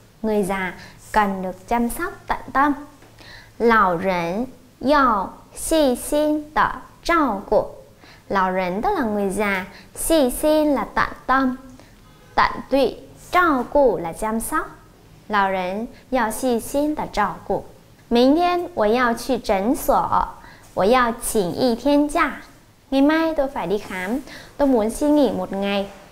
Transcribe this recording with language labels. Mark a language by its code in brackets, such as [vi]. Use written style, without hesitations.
[vi] người già cần được chăm sóc tận tâm, [zh] 老人要细心的照顾, [vi] 老人 tức là người già, 细心 là tận tâm, tận tụy, 照顾 là chăm sóc. [zh] 老人要细心的照顾. 明天我要去诊所, 我要请一天假. [vi] Ngày mai tôi phải đi khám, tôi muốn xin nghỉ một ngày.